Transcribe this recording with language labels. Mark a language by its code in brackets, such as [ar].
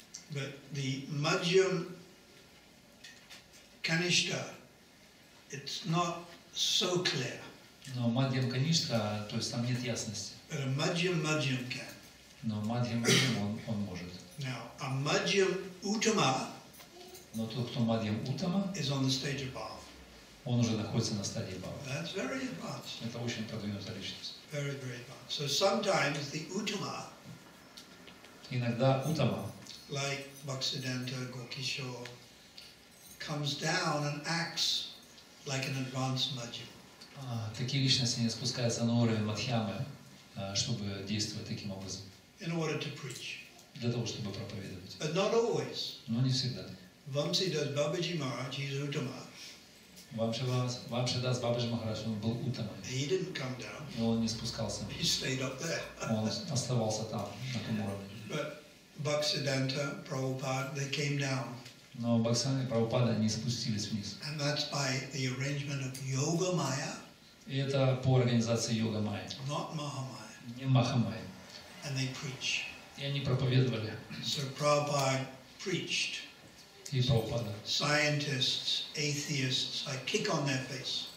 [en] But the madhyam kanishta, it's not so clear. [ru] Но madhyam kanishta, то есть там нет ясности. [en] But a madhyam-madhyam can. [ru] Но madhyam-madhyam он может. [en] Now a madhyam uttama. [ru] Но тот, кто madhyam uttama, [en] is on the stage above. [ru] Он уже находится на стадии бхавы. [en] That's very advanced. [ru] Это очень продвинутая личность. [en] Very, very advanced. So sometimes the uttama. [ru] Иногда uttama. [en] Like Bhaksidanta Gokishore comes down and acts like an advanced madhyam. [ru] Такие личности не спускаются на уровень мадхьямы, чтобы действовать таким образом. [en] In order to preach. [ru] Для того, чтобы проповедовать. [en] But not always. [ru] Но не всегда. [en] Vamsi does Babaji Maharaj, he's uttama. [ru] Вамши дас Бабаджи Махарадж, он был уттама. [en] He didn't come down. [ru] Но он не спускался. [en] He stayed up there. [ru] Он оставался там, на том уровне. [en] But Bhaksidanta, Prabhupada, they came down. [ru] Но Бхаксидданта и Прабхупада не спустились вниз. [en] And that's by the arrangement of Yoga Maya. [ru] И это по организации Йога Майя. [en] Not Mahamaya. [ru] Не Махамайя. [en] And they preach. [ru] И они проповедовали. [en] So Prabhupada preached. [ru] И Прабхупада. [en] Scientists, atheists, I kick on their face.